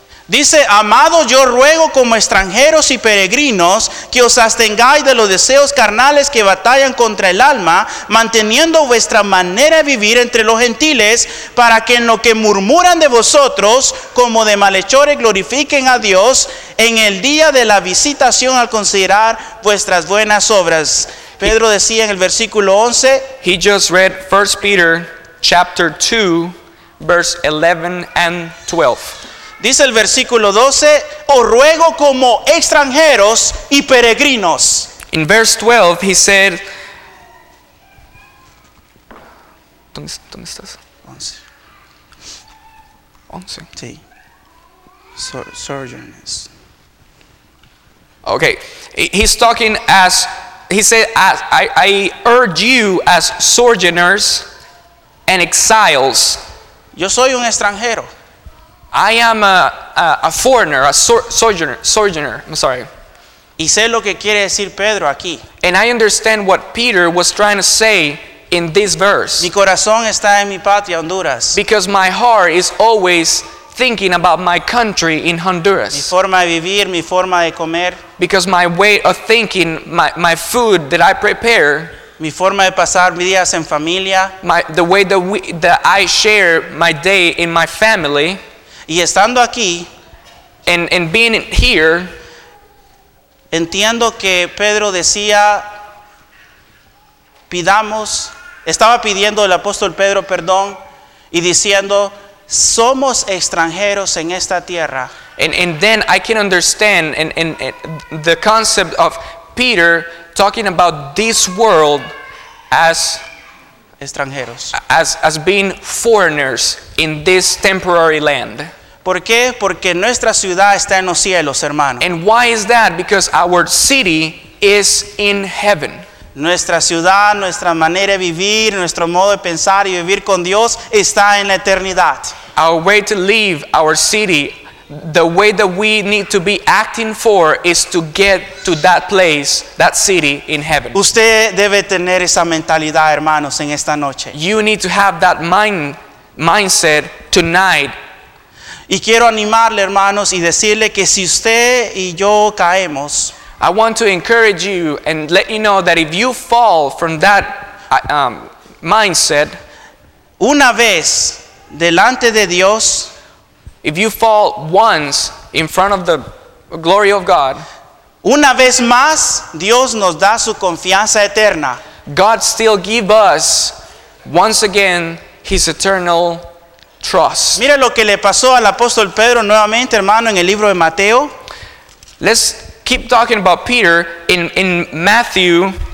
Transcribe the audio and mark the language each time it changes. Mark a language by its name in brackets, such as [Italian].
[Spanish] Dice: amado, yo ruego como extranjeros y peregrinos que os abstengáis de los deseos carnales que batallan contra el alma, manteniendo vuestra manera de vivir entre los gentiles, para que en lo que murmuran de vosotros como de malhechores glorifiquen a Dios en el día de la visitación al considerar vuestras buenas obras. Pedro decía en el versículo 11, [English] he just read 1 Peter chapter 2 verse 11 and 12. [Spanish] Dice el versículo 12, os ruego como extranjeros y peregrinos. [English] In verse 12, he said, [Spanish] ¿dónde estás? 11. 11. Sí. [English] Sojourners. Okay. He's talking as, he said, as, I urge you as sojourners and exiles. [Spanish] Yo soy un extranjero. [English] I am a foreigner, a sojourner, I'm sorry. [Spanish] Y sé lo que quiere decir Pedro aquí. [English] And I understand what Peter was trying to say in this verse. [Spanish] Mi corazón está en mi patria, Honduras. [English] Because my heart is always thinking about my country in Honduras. [Spanish] Mi forma de vivir, mi forma de comer. [English] Because my way of thinking, my food that I prepare. [Spanish] Mi forma de pasar mis días en familia. [English] The way that I share my day in my family. [Spanish] Y estando aquí, [English] and being here, [Spanish] entiendo que Pedro decía, pidamos, estaba pidiendo el apóstol Pedro perdón y diciendo, somos extranjeros en esta tierra. [English] And then I can understand and the concept of Peter talking about this world as [Spanish] extranjeros, [English] as being foreigners in this temporary land. [Spanish] ¿Por qué? Porque nuestra ciudad está en los cielos, hermano. [English] And why is that? Because our city is in heaven. [Spanish] Nuestra ciudad, nuestra manera de vivir, nuestro modo de pensar y vivir con Dios está en la eternidad. [English] Our way to live, our city, the way that we need to be acting for is to get to that place, that city in heaven. [Spanish] Usted debe tener esa mentalidad, hermanos, en esta noche. [English] You need to have that mindset tonight. [Spanish] Y quiero animarle, hermanos, y decirle que si usted y yo caemos, [English] I want to encourage you and let you know that if you fall from that mindset, [Spanish] una vez delante de Dios, [English] if you fall once in front of the glory of God, [Spanish] Una vez más, Dios nos da su confianza eterna. [English] God still gives us, once again, His eternal trust. [Spanish] Mira lo que le pasó al apóstol Pedro nuevamente, hermano, en el libro de Mateo. [English] Let's keep talking about Peter in Matthew.